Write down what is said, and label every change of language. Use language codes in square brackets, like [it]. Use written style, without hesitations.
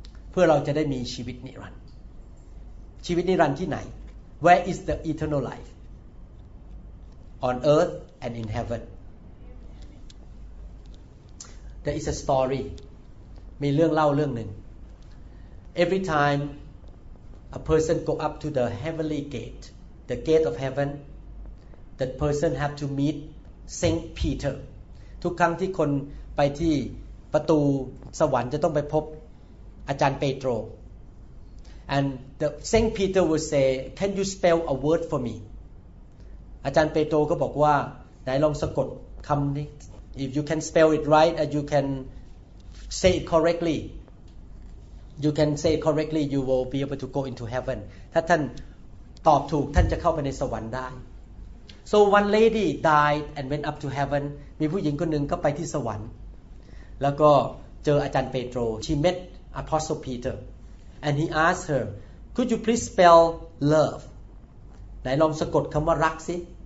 [th] เพื่อเราจะได้มีชีวิตนิรันดร์ชีวิตนิรันดร์ที่ไหน [en] Where is the eternal life? On earth and in heaven. There is a story. [th] มีเรื่องเล่าเรื่องหนึ่ง [en] Every time a person go up to the heavenly gate. The gate of heaven. That person have to meet Saint Peter. [th] ทุกครั้งที่คนไปที่ประตูสวรรค์จะต้องไปพบอาจารย์เปโตร [en] And the Saint Peter will say, "Can you spell a word for me?" [th] อาจารย์เปโตรก็บอกว่าไหนลองสะกดคำนี้ [en] If you can spell it right, and you can say it correctly, you can say it correctly, you will be able to go into heaven. [th] ถ้าท่านตอบถูกท่านจะเข้าไปในสวรรค์ได้ [en] So one lady died and went up to heaven [th] มีผู้หญิงคนหนึ่งก็ไปที่สวรรค์แล้วก็เจออาจารย์เปโตร [en] She met Apostle Peter and he asked her Could you please spell love [th] ไหนลองสะกดคำว่ารักสิ